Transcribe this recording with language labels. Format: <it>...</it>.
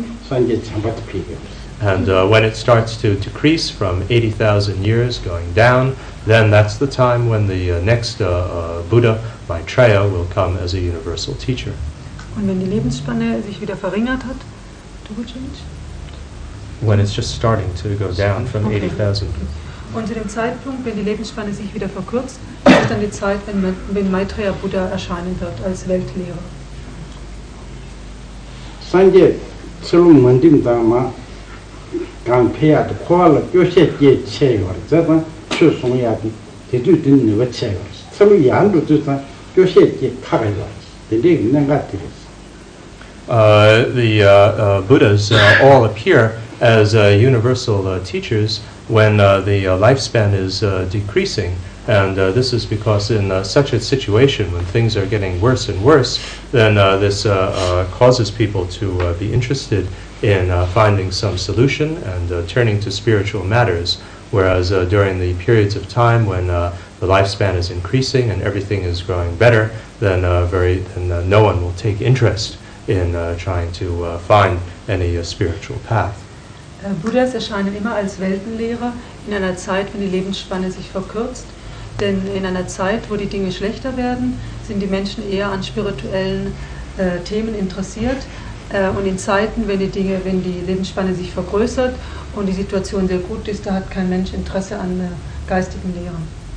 <en>And when it starts to decrease from 80,000 years going down, then that's the time when the next Buddha, Maitreya, will come as a universal teacher.</en> <de>Und wenn die Lebensspanne sich wieder verringert hat,</de> <en>when it's just starting to go down from 80,000.</en> <de>Und zu dem Zeitpunkt, wenn die Lebensspanne sich wieder verkürzt, ist dann die Zeit, wenn Maitreya Buddha erscheinen wird als Weltlehrer. Sanje, Tsulung Mandim Dharma, Gampeyat, Kuala, Yoshe, Ye, Cheyor, Zeta, Chusung Yadi, Tidu, Din, Niva, Cheyor, Tsulung Yandu, Tuta, Yoshe, Ye, Kagayor, Tidu, Nangatiris.</de> <en>Buddhas all appear as universal teachers when the lifespan is decreasing. And this is because in such a situation, when things are getting worse and worse, then this causes people to be interested in finding some solution and turning to spiritual matters. Whereas during the periods of time when the lifespan is increasing and everything is growing better, then no one will take interest in trying to find any spiritual path.</en> <de>Buddhas erscheinen immer als Weltenlehrer in einer Zeit, wenn die Lebensspanne sich verkürzt. Denn in einer Zeit, wo die Dinge schlechter werden, sind die Menschen eher an spirituellen Themen interessiert. Und in Zeiten, wenn die Lebensspanne sich vergrößert und die Situation sehr gut ist, da hat kein Mensch Interesse an geistigen Lehren.</de>